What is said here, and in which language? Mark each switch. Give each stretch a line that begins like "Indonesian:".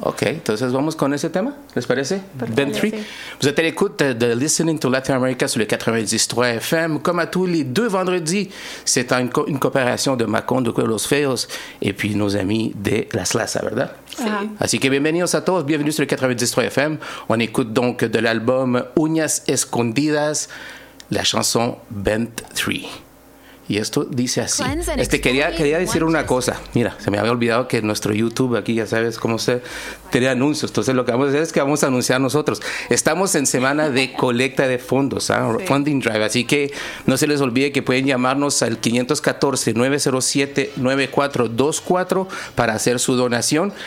Spanish: Ok, entonces vamos con ese tema, ¿les parece?
English: Bent Tree.
French: Vous êtes à l'écoute de Listening to Latin America sur le 90.3 FM. Comme à tous les deux vendredis, c'est une coopération de Macon, de Cuelos Feos et puis nos amis de La Slaza,
Spanish: ¿verdad? Sí. Así que bienvenidos a todos,
French: bienvenue sur le 90.3 FM. On écoute donc de l'album Uñas Escondidas la chanson Bent Tree.
Spanish: Y esto dice así. Quería decir una cosa. Mira, se me había olvidado que nuestro YouTube aquí, ya sabes cómo se tiene anuncios. Entonces, lo que vamos a hacer es que vamos a anunciar nosotros. Estamos en semana de colecta de fondos, ¿eh? Sí.
English: Funding Drive.
Spanish: Así que no se les olvide que pueden llamarnos al 514-907-9424 para hacer su donación.